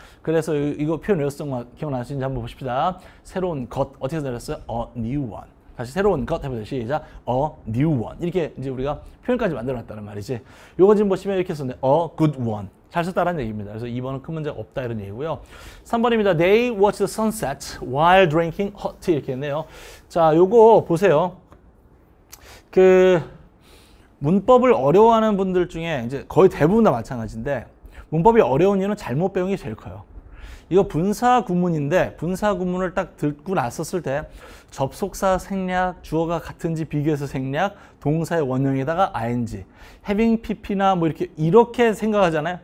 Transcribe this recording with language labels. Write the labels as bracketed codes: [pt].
[ko] 그래서 이거 표현 외웠던 거 기억나시는지 한번 보십시다. 새로운 것 어떻게 내렸어요? [en] A new one. [ko] 다시 새로운 것 해보세요. 시작. [en] A new one. [ko] 이렇게 이제 우리가 표현까지 만들어놨다는 말이지. 요거 지금 보시면 이렇게 썼네. [en] A good one. [ko] 잘 썼다라는 얘기입니다. 그래서 2번은 큰 문제 없다 이런 얘기고요. 3번입니다. [en] They watched the sunset while drinking hot tea. [ko] 이렇게 했네요. 자, 요거 보세요. 그 문법을 어려워하는 분들 중에 이제 거의 대부분 다 마찬가지인데 문법이 어려운 이유는 잘못 배운 게 제일 커요. 이거 분사 구문인데 분사 구문을 딱 듣고 났었을 때 접속사 생략, 주어가 같은지 비교해서 생략, 동사의 원형에다가 ing, having pp나 뭐 이렇게 생각하잖아요.